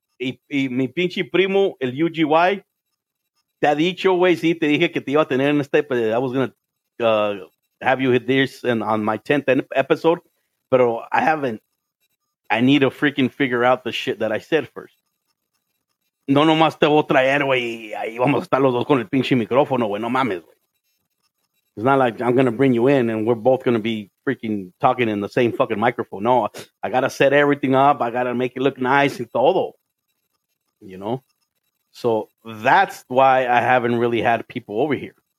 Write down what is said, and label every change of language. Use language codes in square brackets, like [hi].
[es] Y mi pinche primo, el UGY, te ha dicho, güey, sí, te dije que te iba a tener en este, [en] but I was going to have you hit this on my 10th episode, but I haven't. I need to freaking figure out the shit that I said first. [es] No nomás te voy a traer, güey, ahí vamos a estar los dos con el pinche micrófono, güey, no mames, güey. [en] It's not like I'm going to bring you in and we're both going to be freaking talking in the same fucking microphone. No, I got to set everything up. I got to make it look nice and todo. You know, so that's why I haven't really had people over here.